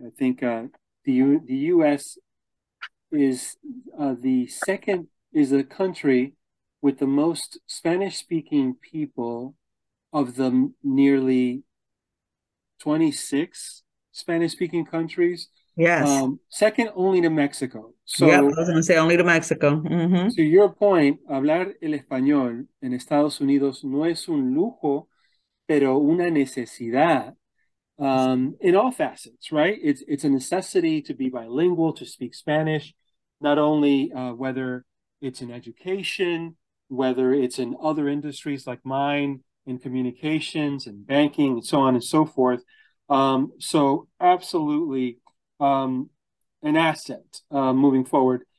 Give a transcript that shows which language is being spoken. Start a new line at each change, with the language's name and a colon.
English: I think the U.S. is a country with the most Spanish-speaking people of the nearly 26 Spanish-speaking countries. Yes. Second only to Mexico. So, yeah, I was going to say only to Mexico. Mm-hmm. To your point,
Spanish: hablar el español en Estados Unidos no es un lujo, pero una necesidad
English: in all facets, right? It's a necessity to be bilingual, to speak Spanish, not only whether it's in education, whether it's in other industries like mine, in communications and banking and so on and so forth. So absolutely an asset moving forward.